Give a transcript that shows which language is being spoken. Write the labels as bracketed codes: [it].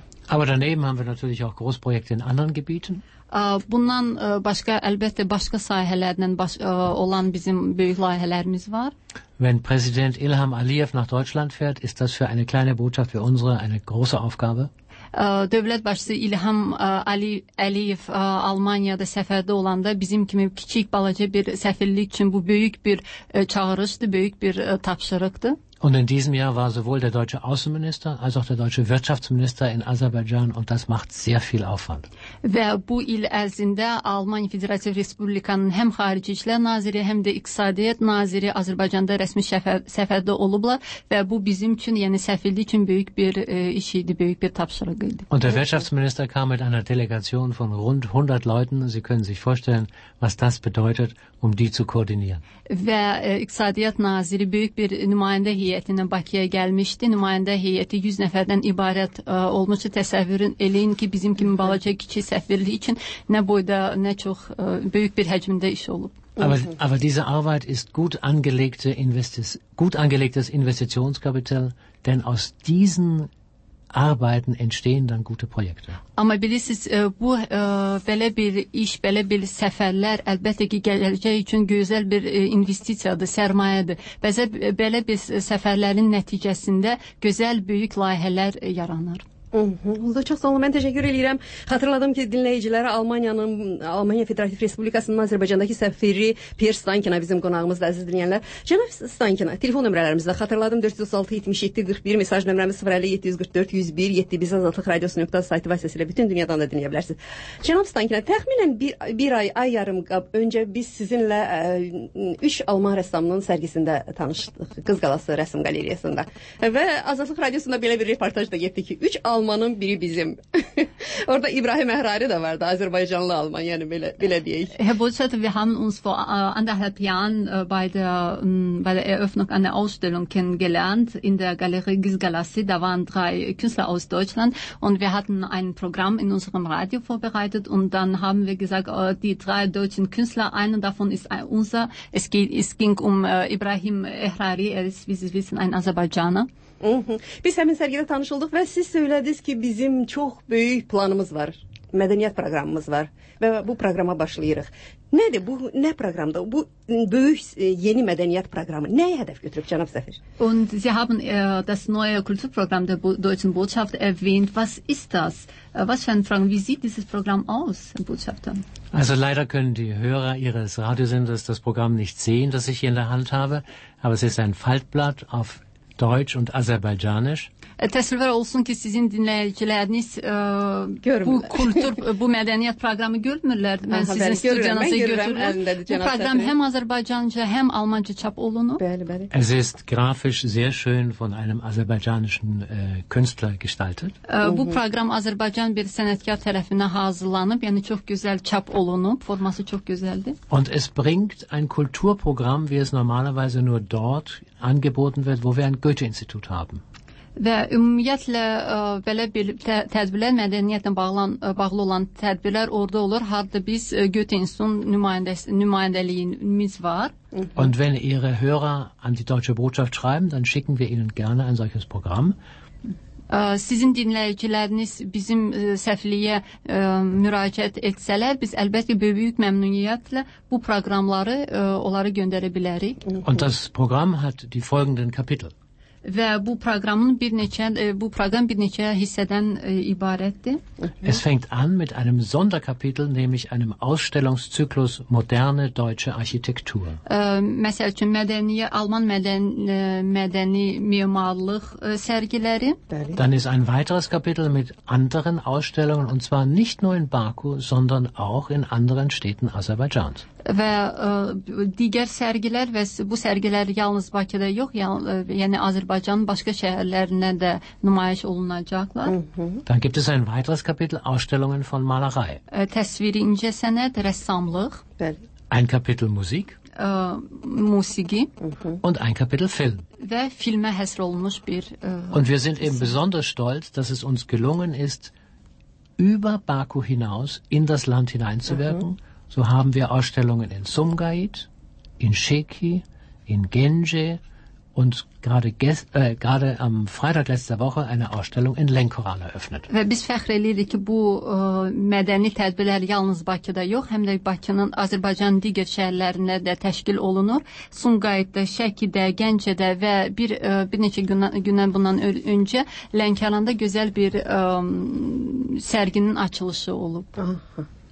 [de] Aber daneben haben wir natürlich auch Großprojekte in anderen Gebieten. [az] Bundan başqa, əlbəttə, başqa sahələrdən olan bizim böyük layihələrimiz var. [de] Wenn Präsident İlham Aliyev nach Deutschland fährt, ist das für eine kleine Botschaft wie unsere eine große Aufgabe? [az] Dövlət başçısı İlham Aliyev Almanya'da səfərdə olanda bizim kimi kiçik balaca bir səfirlik üçün bu böyük bir çağırışdır, böyük bir tapşırıqdır. [de] Und in diesem Jahr war sowohl der deutsche Außenminister als auch der deutsche Wirtschaftsminister in Aserbaidschan und das macht sehr viel Aufwand. [az] Və bu il ərzində Almaniya Federativ Respublikanın həm xarici işlər naziri, həm də iqtisadiyyat naziri Azərbaycanda rəsmi səfərdə olublar və bu bizim üçün, yəni səfirlik üçün böyük bir iş idi, böyük bir tapşırıq idi. [de] Und der Wirtschaftsminister kam mit einer Delegation von rund 100 Leuten. Sie können sich vorstellen, was das bedeutet, die zu koordinieren. [az] Və iqtisadiyyat naziri böyük bir nümayəndə heyətinə Bakıya gəlmişdi. Nümayəndə heyəti 100 nəfərdən ibarət olmuşdu. Təsəvvürün eləyin ki, bizim kimi balaca kiçik səfirlik üçün nə boyda, nə çox böyük bir həcmdə iş olub. Aber diese Arbeit ist gut angelegtes Investitionskapital, denn aus diesen Arbeiten entstehen dann gute Projekte. Amma bilirsiniz, bu belə bir iş, belə bir səfərlər əlbəttə ki, gələcək üçün gözəl bir investisiyadır, sərmayədir. Bəzə belə bir səfərlərin nəticəsində gözəl böyük layihələr yaranır. Da çox sağ olun, mən təşəkkür edirəm. Xatırladım ki, dinləyicilərə Almanya Federativ Respublikasının Azərbaycandakı səfiri Pierre Stankina bizim qonağımızdır, əziz dinləyənlər. Cənab Stankina, telefon nömrələrimizdə xatırladım, 436-77-41, mesaj nömrəmiz 057-744-101-7, biz azadlıq radiosu.sayt vasitəsilə bütün dünyadan da dinləyə bilərsiniz. Cənab Stankina, təxminən bir ay, ay yarım qab öncə biz sizinlə 3 Alman rəssamının sərgisində tanışdıq, Qız Qalası Rəsim Qaleriyasında. Və azadlıq radiosunda belə bir reportaj da getdi ki, 3 Almanın biri bizim. Orada İbrahim Əhrari də vardı, Azərbaycanlı Alman, yəni belə deyək. [de] Herr Bolzhatter, wir haben uns vor anderthalb Jahren bei der Eröffnung einer Ausstellung kennengelernt in der Galerie Gizgalassi. Da waren drei Künstler aus Deutschland und wir hatten ein Programm in unserem Radio vorbereitet und dann haben wir gesagt, die drei deutschen Künstler, einer davon ist unser. Es ging um İbrahim Əhrari, er ist, wie Sie wissen, ein Azerbaycaner. [az] Biz həmin sərgidə tanış olduq və siz söylədiniz ki, bizim çox böyük planımız var, mədəniyyət proqramımız var və bu proqrama başlayırıq. Nədir bu, nə proqramda? Bu böyük yeni mədəniyyət proqramı nəyə hədəf götürüb, cənab Səfir? [de] Und Sie haben das neue Kulturprogramm der Deutschen Botschaft erwähnt. Was ist das? Was für ein Programm? Wie sieht dieses Programm aus, Herr Botschafter? Also leider können die Hörer Ihres Radiosenders das Programm nicht sehen, das ich hier in der Hand habe, aber es ist ein Faltblatt auf Deutsch und Aserbaidschanisch. [az] Təsəvvür olsun ki, sizin dinləyiciləriniz bu kultur, bu mədəniyyət proqramı görmürlər. Mən sizin studiyanıza götürürəm. Bu proqram həm Azərbaycanca, həm Almanca çap olunub. Bəli, bəli. [de] Es ist grafisch sehr schön von einem azerbaycanischen Künstler gestaltet. [az] Bu proqram Azərbaycan bir sənətkar tərəfindən hazırlanıb, yəni çox gözəl çap olunub, forması çox gözəldir. [de] Und es bringt ein Kulturprogramm, wie es normalerweise nur dort angeboten wird, wo wir ein Goethe-Institut haben. [az] Və ümumiyyətlə belə bir tədbirlər, mədəniyyətlə bağlı olan tədbirlər orada olur. Harda biz Goethe İnstitutun nümayəndəliyimiz var. [de] Und wenn Ihre Hörer an die Deutsche Botschaft schreiben, dann schicken wir Ihnen gerne ein solches Programm. [az] Sizin dinləyiciləriniz bizim səfirliyə müraciət etsələr, biz əlbəttə böyük məmnuniyyətlə bu proqramları onlara göndərə bilərik. [de] Und das Programm hat die folgenden Kapitel. [az] Və bu proqramın bir neçə bu proqram bir neçə hissədən ibarətdir. [de] Es fängt an mit einem Sonderkapitel, nämlich einem Ausstellungszyklus moderne deutsche Architektur. [az] Məsəl üçün alman mədəni memarlıq sərgiləri. [de] Dann ist ein weiteres Kapitel mit anderen Ausstellungen und zwar nicht nur in Baku, sondern auch in anderen Städten Aserbaidschans. [az] Və digər sərgilər və bu sərgilər yalnız Bakıda yox, yəni Azərbaycanın başqa şəhərlərində də nümayiş olunacaqlar. [de] Dann gibt es ein weiteres Kapitel Ausstellungen von Malerei. [az] Təsviri incə sənət, rəssamlıq. [de] Ein Kapitel Musik. [az] Musiqi. [de] Und ein Kapitel Film. [az] Və filmə həsr olunmuş bir [de] Und wir sind eben besonders stolz, dass es uns gelungen ist, über Baku hinaus in das Land hineinzuwirken. So haben wir Ausstellungen in Sumgait, in Sheki, in Genje und gerade am Freitag letzter Woche eine Ausstellung in Lenkoran eröffnet. [az] Və biz fəxr edirik ki, bu mədəni tədbirlər yalnız Bakıda yox, həm də Bakının Azərbaycan digər şəhərlərində də təşkil olunur. Sumqayıtda, Şəkidə, Gəncədə və bir neçə gündən bundan öncə Lənkəranda gözəl bir sərginin açılışı olub.